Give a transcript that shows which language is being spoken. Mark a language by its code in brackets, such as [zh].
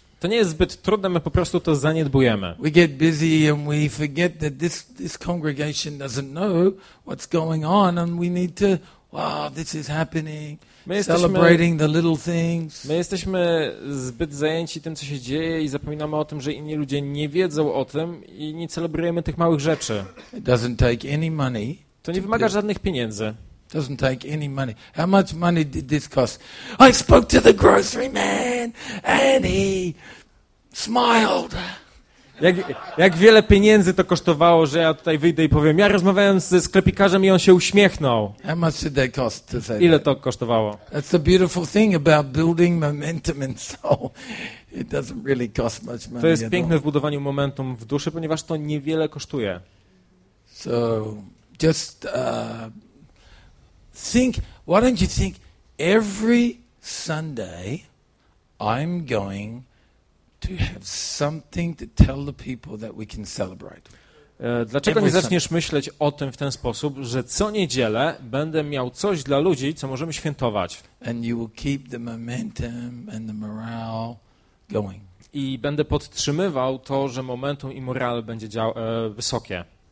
[pl] To nie jest zbyt trudne, my po prostu to zaniedbujemy. [en] We get busy and we forget that this congregation doesn't know what's going on and we need to, wow, this is happening. Celebrating the little things. [pl] My jesteśmy zbyt zajęci tym, co się dzieje i zapominamy o tym, że inni ludzie nie wiedzą o tym i nie celebrujemy tych małych rzeczy. [en] It doesn't take any money. [pl] To nie wymaga żadnych pieniędzy. [en] Doesn't take any money. How much money did this cost? I spoke to the grocery man and he smiled. [pl] Jak wiele pieniędzy to kosztowało, że ja tutaj wyjdę i powiem, ja rozmawiałem ze sklepikarzem i on się uśmiechnął. [en] How much did that cost to say? [pl] Ile [en] that? [pl] To kosztowało? [en] That's the beautiful thing about building momentum in soul. It doesn't really cost much money. [pl] To jest piękne w budowaniu momentum w duszy, ponieważ to niewiele kosztuje. [en] So just think, why don't you think every Sunday I'm going to have something to tell the people that we can celebrate. [pl] Dlaczego nie zaczniesz myśleć o tym w ten sposób, że co niedzielę będę miał coś dla ludzi, co możemy świętować? [en] And you will keep the momentum and the morale going. [pl] I będę podtrzymywał to, że momentum i morale będzie wysokie.